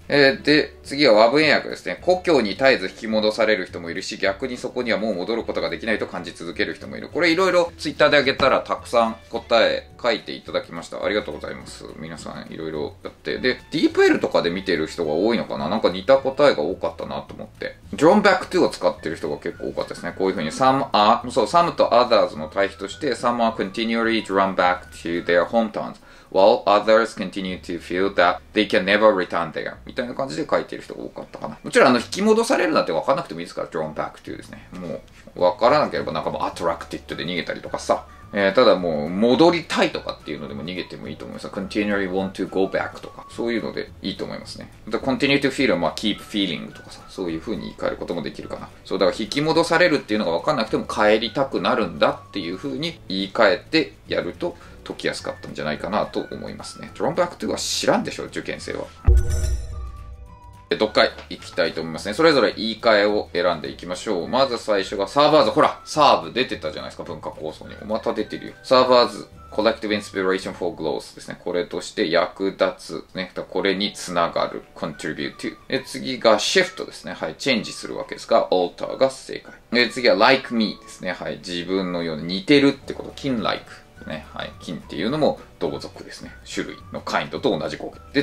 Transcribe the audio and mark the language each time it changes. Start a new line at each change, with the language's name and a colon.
Japanese: で、次は和文訳ですね。故郷に絶えず引き戻される人もいるし、逆にそこにはもう戻ることができないと感じ続ける人もいる。これいろいろツイッターであげたらたくさん答え書いていただきました。ありがとうございます。皆さんいろいろやって。で、ディープエルとかで見てる人が多いのかな？なんか似た答えが多かったなと思って。
English: drawn back to
Japanese: を使ってる人が結構多かったですね。こういうふうに、
English: some と others
Japanese: の対比として、
English: some are continually drawn back to their hometowns. While others continue to feel that they can never return there.
Japanese: みたいな感じで書いてる人が多かったかな。もちろん引き戻されるなんて分からなくてもいいですから、drawn back to ですね。もう、分からなければなんかもう attracted で逃げたりとかさ。ただもう、戻りたいとかっていうのでも逃げてもいいと思います。
English: continually want to go back
Japanese: とか。そういうのでいいと思いますね。 continue to feel は、まあ、keep feeling とかさ。そういう風に言い換えることもできるかな。そう、だから引き戻されるっていうのが分からなくても帰りたくなるんだっていう風に言い換えてやると、解きやすかったんじゃないかなと思いますね。
English: drawn back to
Japanese: は知らんでしょ、受験生は。読解行きたいと思いますね。それぞれ言い換えを選んでいきましょう。まず最初がサーバーズ。ほら、サーブ出てたじゃないですか、文化構想に。また出てるよ。サーバーズ、
English: collective inspiration for growth
Japanese: ですね。これとして役立つ、ね。これにつながる、contribute to。で、次がシェフトですね。はい、チェンジするわけですが、alter が正解。で、次は like me ですね。はい、自分のように似てるってこと、kin like。ね、はい、金っていうのも同族ですね、種類のカインドと同じ語源で。